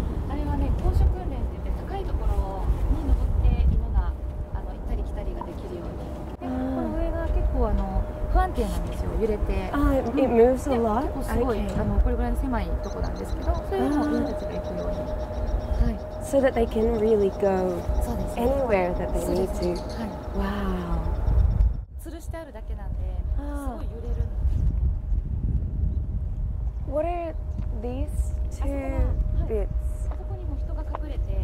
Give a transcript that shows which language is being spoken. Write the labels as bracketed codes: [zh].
[ja] あれはね、高所訓練って言って、高いところに登って犬が行ったり来たりができるように。この上が結構不安定なんですよ、揺れて。 [en] It moves a lot. [ja] 結構すごい、これぐらいの狭いとこなんですけど、そういうのも犬たちが行くように。 [en] So that they can really go anywhere that they need to. Wow. [ja] 吊るしてあるだけなんで、すごい揺れるんです [en] 。 What are these two bits? [ja] あそこにも人が隠れて。